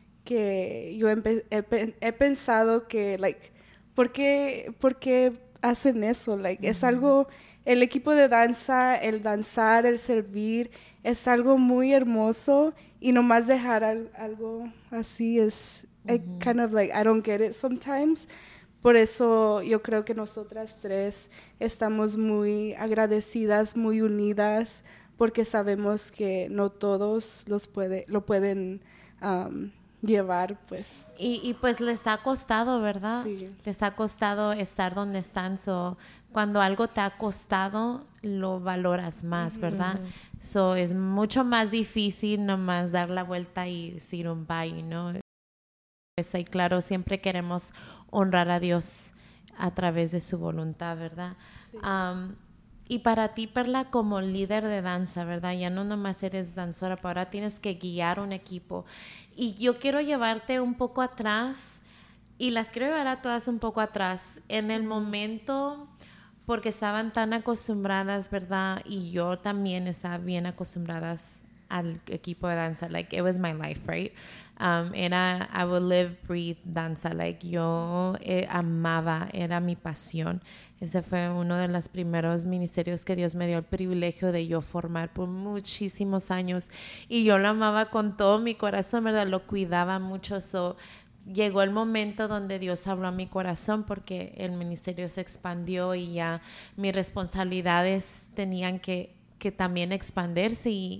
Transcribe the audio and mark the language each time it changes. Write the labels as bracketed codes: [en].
[es] que yo he pensado que, like, ¿por qué hacen eso? Like, mm-hmm. Es algo, el equipo de danza, el danzar, el servir, es algo muy hermoso, y nomás dejar algo así es, mm-hmm. [en] I kind of like, I don't get it sometimes. [es] Por eso yo creo que nosotras tres estamos muy agradecidas, muy unidas, porque sabemos que no todos lo pueden llevar, pues. Y pues les ha costado, ¿verdad? Sí. Les ha costado estar donde están. So, cuando algo te ha costado, lo valoras más, mm-hmm. ¿verdad? So, es mucho más difícil nomás dar la vuelta y decir un bye, ¿no? Pues ahí, claro, siempre queremos honrar a Dios a través de su voluntad, ¿verdad? Sí. Y para ti, Perla, como líder de danza, ¿verdad? Ya no nomás eres danzora, pero ahora tienes que guiar un equipo. Y yo quiero llevarte un poco atrás, y las quiero llevar a todas un poco atrás, en el momento, porque estaban tan acostumbradas, ¿verdad? Y yo también estaba bien acostumbradas al equipo de danza. [en] Like, it was my life, right? I would live, breathe, danza. [es] Like, yo amaba, era mi pasión. Ese fue uno de los primeros ministerios que Dios me dio el privilegio de yo formar por muchísimos años. Y yo lo amaba con todo mi corazón, ¿verdad? Lo cuidaba mucho. So, llegó el momento donde Dios habló a mi corazón, porque el ministerio se expandió y ya mis responsabilidades tenían que también expandirse.